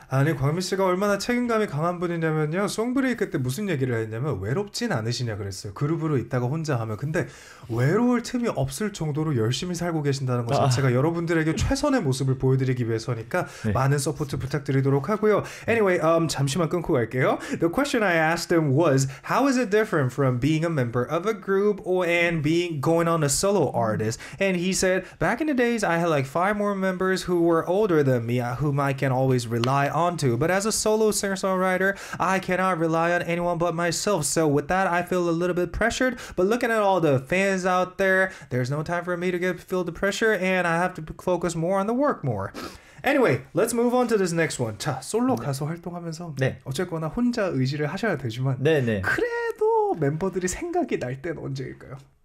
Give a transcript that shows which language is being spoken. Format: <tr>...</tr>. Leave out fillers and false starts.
<ko>아니, 광민 씨가 얼마나 책임감이 강한 분이냐면요. 송브레이크 때 무슨 얘기를 했냐면 외롭진 않으시냐 그랬어요. 그룹으로 있다가 혼자 하면. 근데 외로울 틈이 없을 정도로 열심히 살고 계신다는 것 자체가 여러분들에게 최선의 모습을 보여드리기 위해서니까 네. 많은 서포트 부탁드리도록 하고요. Anyway, 잠시만 끊고 갈게요.</ko> <en>The question I asked him was, how is it different from being a member of a group or and being going on a solo artist? And he said, back in the days, I had like five more members who were older than me, whom I can always rely onto, but as a solo singer-songwriter, I cannot rely on anyone but myself. So with that, I feel a little bit pressured. But looking at all the fans out there, there's no time for me to feel the pressure, and I have to focus more on the work more. Anyway, let's move on to this next one.</en> <ko>자, 솔로 네. 가수 활동하면서 네. 어쨌거나 혼자 의지를 하셔야 되지만 네, 네. 그래도 멤버들이 생각이 날 땐 언제일까요?</ko>